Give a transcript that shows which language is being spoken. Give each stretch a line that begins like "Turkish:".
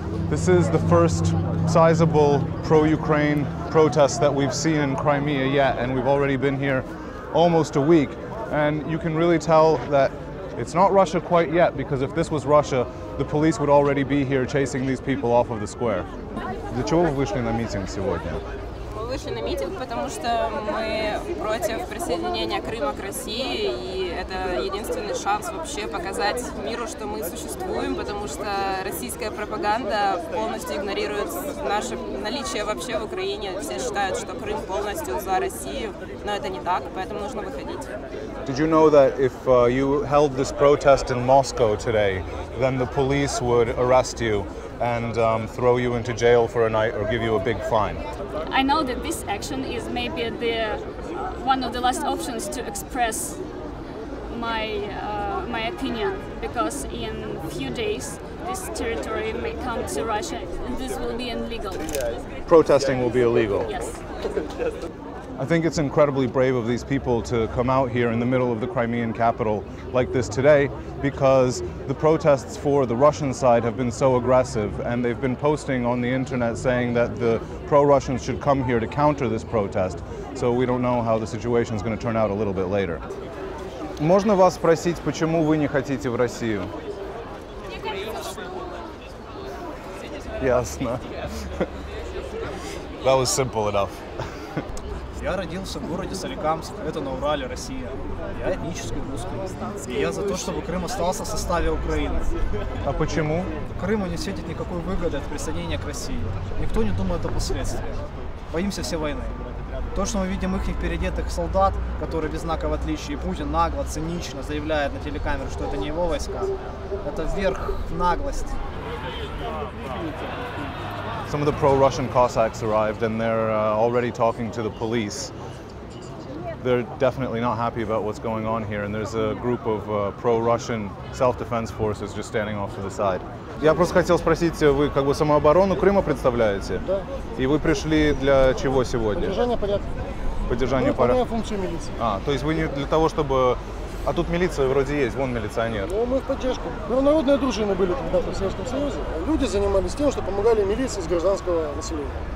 English: This is the first sizable pro-Ukraine protest that we've seen in Crimea yet, and we've already been here almost a week. And you can really tell that it's not Russia quite yet, because if this was Russia, the police would already be here chasing these people off of the square.
Ukrainian: Для чого ви вийшли на мітинг сьогодні? Вийшли на мітинг, тому що ми проти присоєднання Криму до Росії, і це єдиний шанс взагалі показати світу, що ми існуємо, тому що російська пропаганда повністю ігнорує наше наличие взагалі в Україні. Всі вважають, що Крим повністю за Росію, але це не так, тому потрібно виходити.
English: Did you know that if you held this protest in Moscow today, then the police would arrest you and throw you into jail for a night or give you a big fine? I know that this action is maybe the one of the last options to express my my opinion, because in a few days this territory may come to Russia and this will be illegal. Protesting will be illegal? Yes. I think it's incredibly brave of these people to come out here in the middle of the Crimean capital like this today, because the protests for the Russian side have been so aggressive, and they've been posting on the internet saying that the pro-Russians should come here to counter this protest. So we don't know how the situation is going to turn out a little bit later.
Ukrainian: Можна вас спросити, чому ви не хотите в Росію? Ясно.
English: That was simple enough.
Russian: Я родился в городе Соликамск, это на Урале, Россия. Я этнический русский. И я за то, чтобы Крым остался в составе Украины. А почему? Крыму не светит никакой выгоды от присоединения к России. Никто не думает о последствиях. Боимся все войны. То, что мы видим их переодетых солдат, которые без знаков отличия, и Путин нагло, цинично заявляет на телекамеру, что это не его войска, это верх наглости.
English: Some of the pro-Russian Cossacks arrived, and they're already talking to the police. They're definitely not happy about what's going on here, and there's a group of pro-Russian self-defense forces just standing off to the side.
Russian: Я просто хотел спросить, вы как бы самооборону Крыма представляете? Да. И вы пришли для чего сегодня? Поддержание порядка. Поддержание порядка. Выполняю функцию милиции. А, то есть вы не для того, чтобы... А тут милиция вроде есть, вон милиционер. Ну, мы в поддержку. Народные дружины были тогда в Советском Союзе. Люди занимались тем, что помогали милиции с гражданского населения.